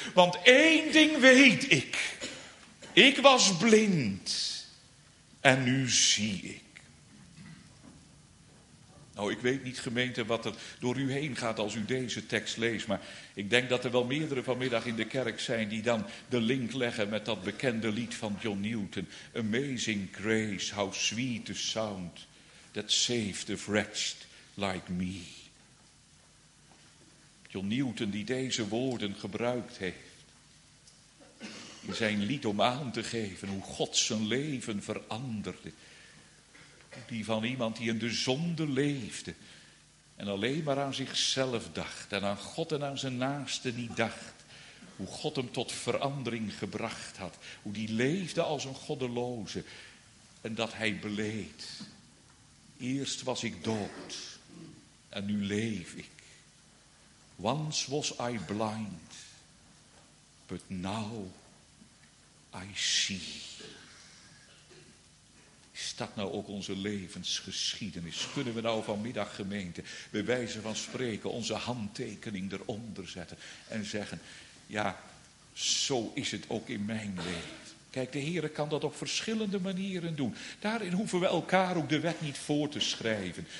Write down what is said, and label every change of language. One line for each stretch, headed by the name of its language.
Dutch: Want één ding weet ik. Ik was blind en nu zie ik. Nou, ik weet niet, gemeente, wat er door u heen gaat als u deze tekst leest, maar ik denk dat er wel meerdere vanmiddag in de kerk zijn die dan de link leggen met dat bekende lied van John Newton.
English: Amazing grace, how sweet the sound that saved a wretch like me.
Dutch: John Newton, die deze woorden gebruikt heeft in zijn lied om aan te geven hoe God zijn leven veranderde. Die van iemand die in de zonde leefde en alleen maar aan zichzelf dacht en aan God en aan zijn naaste niet dacht. Hoe God hem tot verandering gebracht had. Hoe die leefde als een goddeloze en dat hij beleed. Eerst was ik dood en nu leef ik.
English: Once was I blind, but now I see.
Dutch: Is dat nou ook onze levensgeschiedenis? Kunnen we nou vanmiddag, gemeente, bij wijze van spreken, onze handtekening eronder zetten en zeggen, ja, zo is het ook in mijn leven. Kijk, de Heere kan dat op verschillende manieren doen. Daarin hoeven we elkaar ook de wet niet voor te schrijven.